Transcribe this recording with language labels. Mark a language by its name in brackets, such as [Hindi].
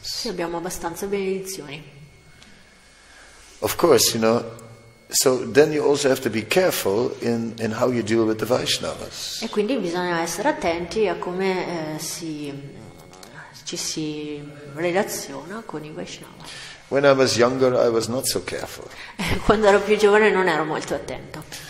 [Italian] Se abbiamo abbastanza benedizioni. [English] Of course, you know. So then you also have to be careful in how you deal with the Vaishnavas. [Italian] E quindi bisogna essere attenti a come ci si relaziona con i Vaishnava. [English] When I was younger, I was not so careful. [Italian] Quando ero più giovane non ero molto attento.